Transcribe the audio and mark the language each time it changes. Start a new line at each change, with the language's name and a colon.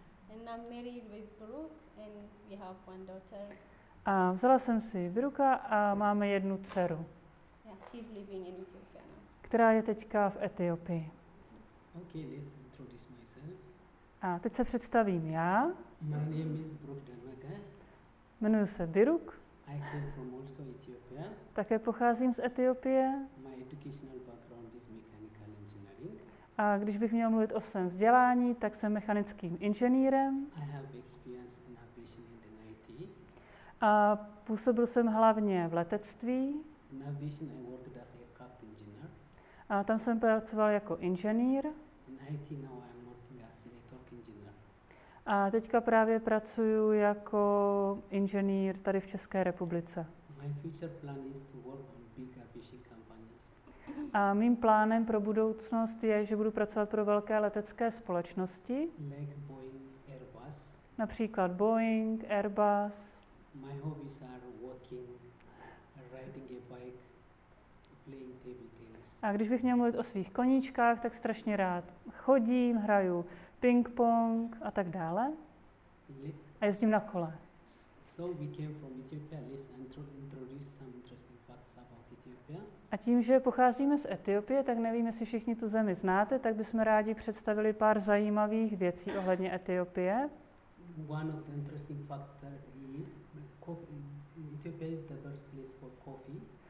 English: And I'm married with Brooke and we have one daughter.
Czech: A vzala jsem si Brooka a máme jednu dceru.
English: She's living in Ethiopia now.
Czech: Která je teďka v Etiopii.
English: Okay, let's introduce myself.
Czech: A teď se představím já.
English: My name is Brooke Derwege.
Czech: Jmenuji se Biruk.
English: I came from also Ethiopia.
Czech: Také pocházím z Etiopie.
English: My educational background is mechanical engineering.
Czech: A když bych měl mluvit o svém vzdělání, tak jsem mechanickým inženýrem.
English: I have experience in aviation and in IT.
Czech: A působil jsem hlavně v letectví.
English: In aviation I worked as aircraft engineer.
Czech: A tam jsem pracoval jako inženýr.
English: In IT now I'm working as a network engineer.
Czech: A teďka právě pracuji jako inženýr tady v České republice.
English: My future plan is to work on big aviation companies.
Czech: A mým plánem pro budoucnost je, že budu pracovat pro velké letecké společnosti.
English: Like Boeing, Airbus.
Czech: Například Boeing, Airbus.
English: My hobbies are working, riding a bike, playing table tennis.
Czech: A když bych měl mluvit o svých koníčkách, tak strašně rád chodím, hraju ping-pong a tak dále. A jezdím na kole.
English: So we came from Ethiopia. Let's introduce some interesting facts about Ethiopia.
Czech: A tím, že pocházíme z Etiopie, tak nevím, jestli všichni tu zemi znáte, tak bychom rádi představili pár zajímavých věcí ohledně Etiopie.
English: One of the interesting facts is Ethiopia is the first place for coffee.